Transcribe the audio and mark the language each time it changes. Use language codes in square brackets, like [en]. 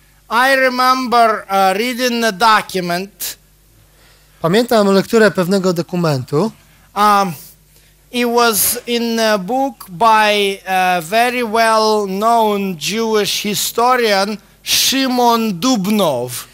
[en] I remember reading the document. [pl] Pamiętam lekturę pewnego dokumentu. [en] It was in a book by a very well-known Jewish historian, Szymon Dubnow.